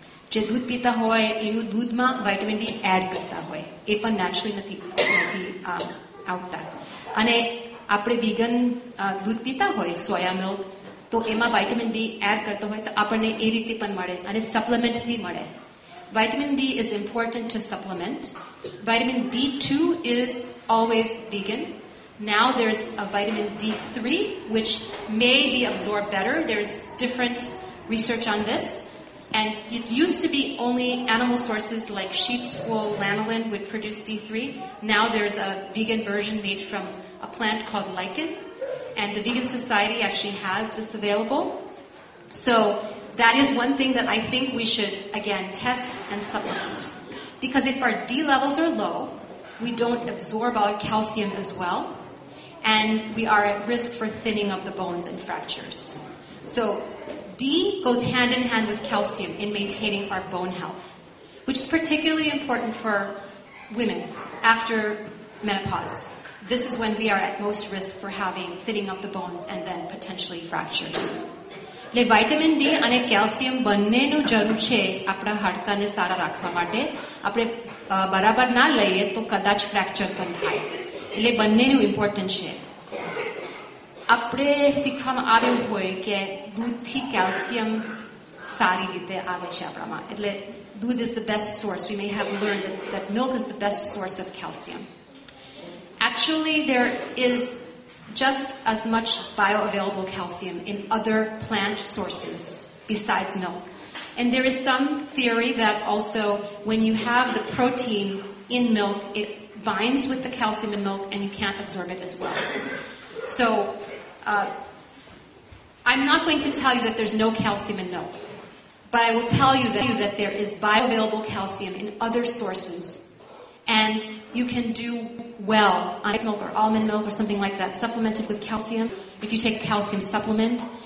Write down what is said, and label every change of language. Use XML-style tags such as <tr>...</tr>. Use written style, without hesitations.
<gu>જે દૂધ પીતા હોય એનું દૂધમાં વાઇટામિન ડી એડ કરતા હોય એ પણ નેચરલી નથી આવતા. અને આપણે વીગન દૂધ પીતા હોય, સોયા મિલ્ક, તો એમાં વાઇટામિન ડી એડ કરતો હોય તો આપણને એ રીતે પણ મળે અને સપ્લિમેન્ટથી મળે.</gu> <en>Vitamin D is important to supplement. Vitamin D2 is always vegan. Now there's a vitamin D3, which may be absorbed better. There's different research on this. And it used to be only animal sources like sheep's wool, lanolin would produce D3. Now there's a vegan version made from a plant called lichen. And the Vegan Society actually has this available. So that is one thing that I think we should, again, test and supplement. Because if our D levels are low, we don't absorb our calcium as well, and we are at risk for thinning of the bones and fractures. So D goes hand in hand with calcium in maintaining our bone health, which is particularly important for women after menopause. This is when we are at most risk for having thinning of the bones and then potentially fractures.</en> <gu>એટલે vitamin D અને calcium બંનેનું જરૂર છે આપણા હાડકાને સારા રાખવા માટે. આપણે બરાબર ના લઈએ તો કદાચ ફ્રેક્ચર પણ થાય, એટલે બંનેનું ઇમ્પોર્ટન્ટ છે. આપણે શીખવામાં આવ્યું હોય કે દૂધથી કેલ્શિયમ સારી રીતે આવે છે આપણામાં, એટલે દૂધ is the best source.</gu> <en>We may have learned that milk is the best source of calcium. Actually there is just as much bioavailable calcium in other plant sources besides milk. And there is some theory that also when you have the protein in milk it binds with the calcium in milk and you can absorb it as well. So I'm not going to tell you that there's no calcium in milk, but I will tell you that there is bioavailable calcium in other sources, and you can do well on rice milk or almond milk or something like that supplemented with calcium if you take a calcium supplement.</en>